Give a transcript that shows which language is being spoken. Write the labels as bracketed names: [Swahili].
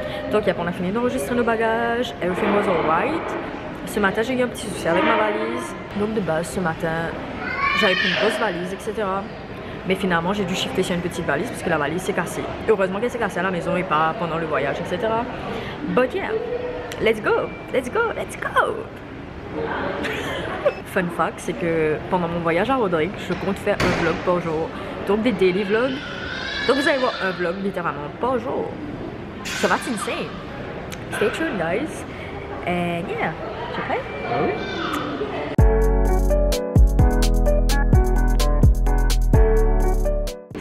[French] Donc yep, on a fini d'enregistrer nos bagages. [English] Everything was alright. [French] Ce matin, j'ai eu un petit souci avec ma valise. Donc de base, ce matin, j'avais pris une grosse valise, etc. Mais finalement, j'ai dû shifter sur une petite valise parce que la valise s'est cassée. Et heureusement qu'elle s'est cassée à la maison et pas pendant le voyage, etc. [English] But yeah, let's go, let's go, let's go. Fun fact, [French] c'est que pendant mon voyage à Rodrigue, je compte faire un vlog par jour. Donc des daily vlogs. Donc vous allez voir un vlog littéralement par jour. Ça va être insane. [English] Stay tuned guys. And yeah, [French] tu es prêt? Oui.